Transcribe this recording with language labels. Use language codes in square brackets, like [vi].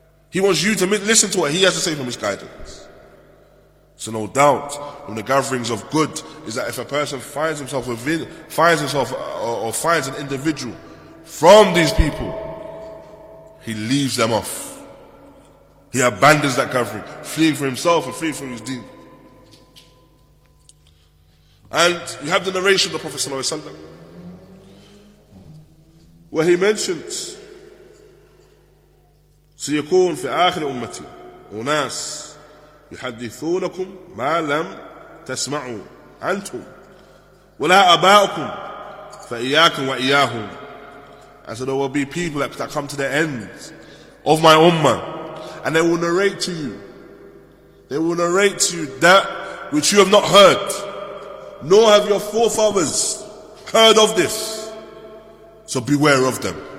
[en] He wants you to listen to what he has to say from his guidance. So no doubt, when the gatherings of good is that if a person finds himself within, finds himself or finds an individual from these people, he leaves them off. He abandons that gathering, fleeing for himself and fleeing for his deen. And you have the narration of the Prophet Sallallahu Alaihi Wasallam, where he mentions, [ar] سيكون في آخر أمتي أناس يحدثونكم ما لم تسمعوا عنتم ولا أباؤكم فإياكم وإياهم. [en] And so there will be people that come to the end of my ummah, and they will narrate to you, they will narrate to you that which you have not heard, nor have your forefathers heard of this. So beware of them.